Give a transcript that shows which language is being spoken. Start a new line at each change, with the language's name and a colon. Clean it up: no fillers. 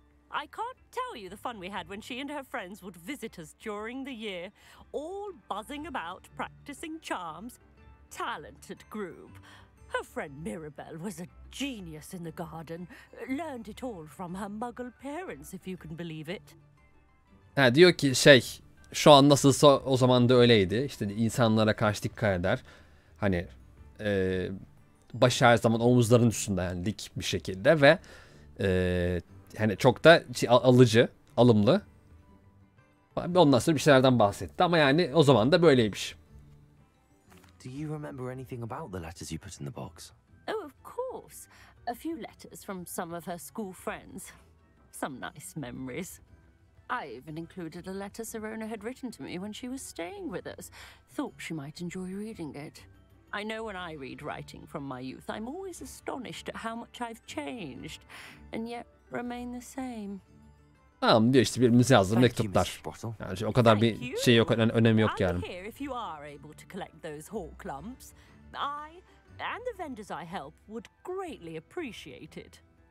English: I can't tell you the fun we had when she and her friends would visit us during the year, all buzzing about, practicing charms. Talented group. Her friend Mirabelle was a genius in the garden. Learned it all from her muggle parents, if you can believe it.
Turkish: Ha, diyor ki şey, şu an nasılsa o zaman da öyleydi. İşte insanlara karşı dikkat eder. Hani başı her zaman omuzların üstünde, yani dik bir şekilde ve hani çok da alıcı, alımlı. Ondan sonra bir şeylerden bahsetti ama yani o zaman da böyleymiş.
English: Do you remember anything about the letters you put in the box? Oh, of course. A few letters from some of her school friends. Some nice memories. I even included a letter Serona had written to me when she was staying with us. Thought she might enjoy reading it. I know when I read writing from my youth, I'm always astonished at how much I've changed. And yet remain the same.
Turkish: Tamam diyor, işte birimize yazdığı mektuplar. Yani işte o kadar bir şey yok, yani önemi yok yani.
English: I'm here if you are able to collect those hawk lumps. I and the vendors I help would greatly appreciate it.